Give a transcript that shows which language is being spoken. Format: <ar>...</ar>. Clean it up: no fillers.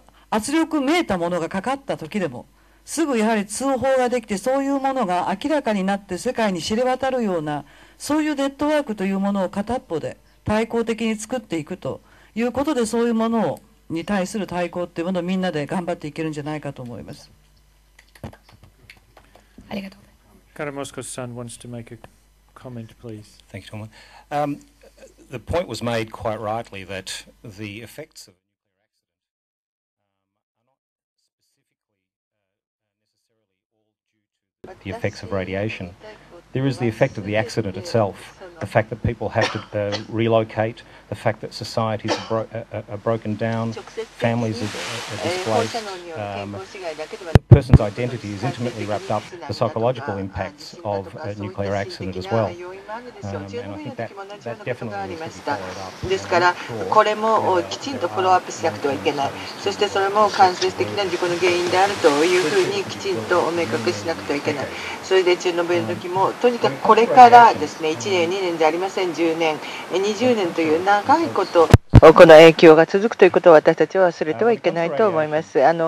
<ja>圧力めいたものがかかった時でもすぐやはり通報ができて、そういうものが明らかになって世界に知れ渡るようなそういうネットワークというものを片っぽで対抗的に作っていくということで、そういうものをに対する対抗というものをみんなで頑張っていけるんじゃないかと思います。ありがとうございます。カラモスコさん</ja> <en>wants to make a Comment, please. Thank you, Tomlin. The point was made quite rightly that the effects of a nuclear accident are not specifically necessarily all due to the effects of radiation. There is the effect of the accident itself, the fact that people have to relocate, the fact that societies are broken down, families are displaced, the person's identity is intimately wrapped up, the psychological impacts of a nuclear accident as well. And I think that definitely needs to be followed up.</en> <ja>ですから、これもきちんとフォローアップしなくてはいけない。そしてそれも間接的な事故の原因であるというふうにきちんとお明確しなくてはいけない。それでチェルノブイリの時も、とにかくこれからですね、1年、2年でありません、10年、20年という長いこと、この影響が続くということを私たちは忘れてはいけないと思います。</ja>